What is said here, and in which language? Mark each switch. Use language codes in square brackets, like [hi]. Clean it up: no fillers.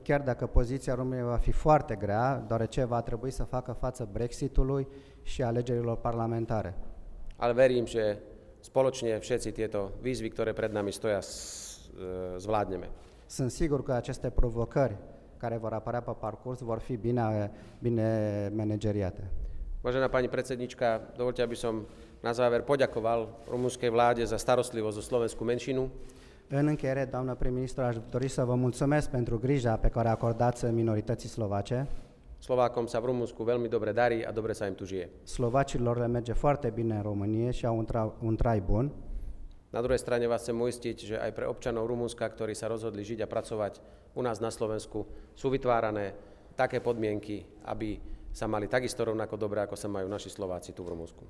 [ro] Chiar dacă poziția României va fi foarte grea, deoarece va trebui să facă față Brexitului și alegerilor parlamentare. [sk] Ale verím, že spoločne všetci tieto výzvy, ktoré pred nami stoja, zvládneme. [ro] Sunt sigur că aceste provocări care vor apărea pe parcurs vor fi bine manageriate. [sk] Vážená pani predsednička, dovolte, aby som na záver poďakoval rumunskej vláde za starostlivosť o slovenskú menšinu. [ro] În încheiere, doamnă prim-ministru, aș dori să vă mulțumesc pentru grija pe care acordați minorității slovace. [sk] Slovákom sa v Rumunsku veľmi dobre darí a dobre sa im tu žije. [ro] Slovacilor le merge foarte bine în Românie și au un trai bun. [sk] Na druhej strane vás chcem uistiť, že aj pre občanov Rumunska, ktorí sa rozhodli žiť a pracovať u nás na Slovensku, sú vytvárané také podmienky, aby sa mali takisto rovnako dobre, ako sa majú naši Slováci tu v Rumunsku.